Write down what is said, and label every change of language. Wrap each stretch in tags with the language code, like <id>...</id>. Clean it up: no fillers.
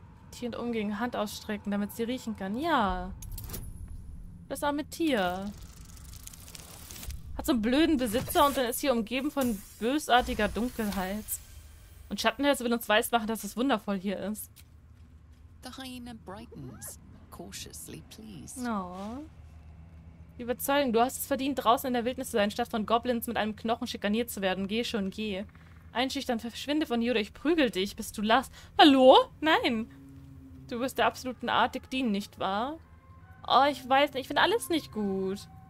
<de>Tier und umgegen Hand ausstrecken, damit sie riechen kann. Ja. Das arme Tier. Hat so einen blöden Besitzer und dann ist hier umgeben von bösartiger Dunkelheit. Und Schattenherz will uns weismachen, dass es wundervoll hier ist.</de> <en>The hyena brightens, cautiously pleased. Aww.</en> <de>Überzeugung, du hast es verdient, draußen in der Wildnis zu sein, statt von Goblins mit einem Knochen schikaniert zu werden. Geh schon, geh. Einschüchtern, verschwinde von hier oder ich prügel dich, bis du lachst. Hallo? Nein. Du wirst der absoluten Artig dienen, nicht wahr? Oh, ich weiß nicht, ich finde alles nicht gut.</de>